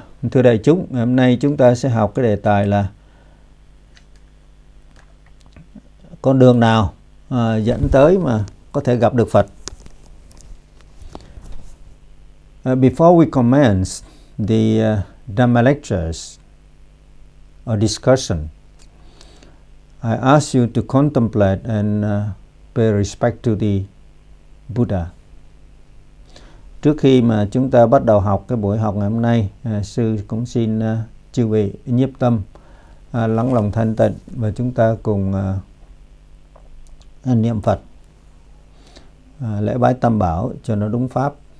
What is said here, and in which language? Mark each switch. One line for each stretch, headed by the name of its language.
Vietnamese: Thưa đại chúng, hôm nay chúng ta sẽ học cái đề tài là con đường nào dẫn tới mà có thể gặp được Phật.
English: Before we commence the Dhamma lectures or discussion, I ask you to contemplate and pay respect to the Buddha.
Vietnamese: Trước khi mà chúng ta bắt đầu học cái buổi học ngày hôm nay, sư cũng xin chư vị nhiếp tâm, lắng lòng thanh tịnh và chúng ta cùng niệm Phật, lễ bái tam bảo cho nó đúng pháp.